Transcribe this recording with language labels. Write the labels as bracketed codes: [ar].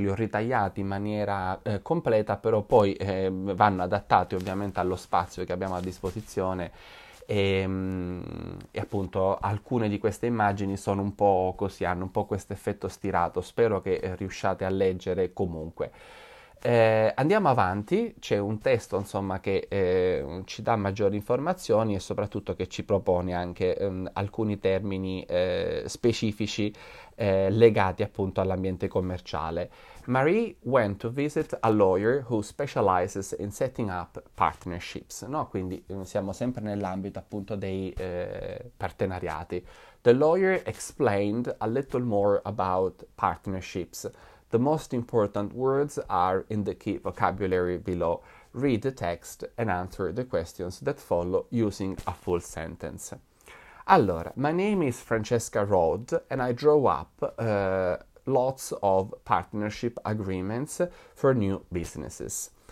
[it] Ce li ho ritagliati in maniera completa, però poi vanno adattati ovviamente allo spazio che abbiamo a disposizione e appunto alcune di queste immagini sono un po' così, hanno un po' questo effetto stirato, spero che riusciate a leggere comunque. Andiamo avanti, c'è un testo insomma che ci dà maggiori informazioni e soprattutto che ci propone anche alcuni termini specifici legati appunto all'ambiente commerciale. [en] Marie went to visit a lawyer who specializes in setting up partnerships, no? [it] Quindi siamo sempre nell'ambito appunto dei partenariati. [en] The lawyer explained a little more about partnerships. The most important words are in the key vocabulary below. Read the text and answer the questions that follow using a full sentence. Allora, my name is Francesca Rode and I draw up lots of partnership agreements for new businesses.